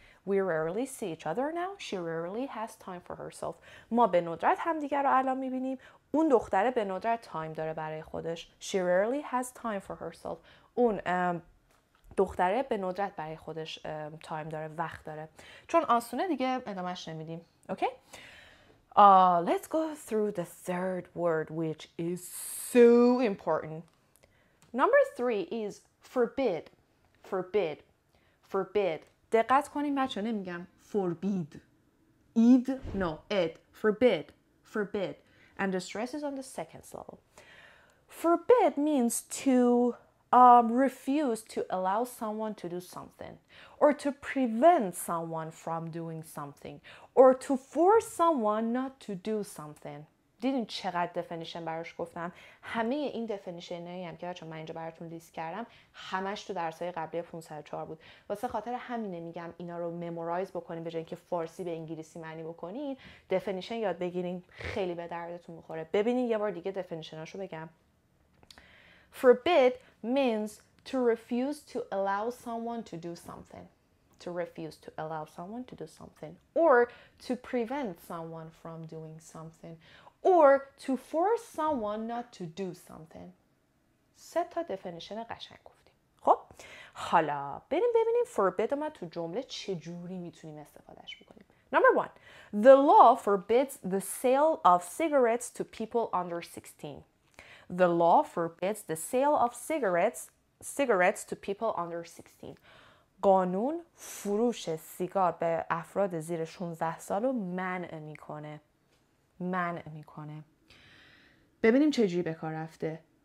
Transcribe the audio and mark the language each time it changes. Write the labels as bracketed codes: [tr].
[en] We rarely see each other now. She rarely has time for herself. [fa] ما به ندرت همدیگر رو الان میبینیم. اون دختره به ندرت تایم داره برای خودش. [en] She rarely has time for herself. [fa] اون دختره به ندرت برای خودش تایم داره، وقت داره. چون آسونه دیگه ادامهش نمیدیم. [en] Okay? Let's go through the third word, which is so important. Number 3 is forbid. Forbid. Forbid. [fa] دقت کنیم بچه ها، نمیگم forbid. [en] Id, no, ed. Forbid. Forbid. And the stress is on the second syllable. Forbid means to refuse to allow someone to do something. Or to prevent someone from doing something. Or to force someone not to do something. [fa] دیدین چقدر دفنیشن براش گفتم؟ همه این دفنیشن هایی هم که بچه من اینجا براتون لیست کردم همش تو درس های قبلی 504 بود. واسه خاطر همینه میگم اینا رو ممورایز بکنین به جای اینکه فارسی به انگلیسی معنی بکنین، دفنیشن یاد بگیرین، خیلی به دردتون میخوره. ببینین یه بار دیگه دفنیشن هاشو بگم. [en] Forbid means to refuse to allow someone to do something. to refuse to allow someone to do something, or to prevent someone from doing something, or to force someone not to do something. [fa] سه تا دفنیشن قشنگ گفتیم. خب حالا بریم ببینیم forbid ما تو جمله چجوری میتونیم استفادهش بکنیم. [en] Number one, the law forbids the sale of cigarettes to people under 16. The law forbids the sale of cigarettes to people under 16. [fa] قانون فروش سیگار به افراد زیر 16 سالو منع میکنه. ببینیم چجوری به کار رفته.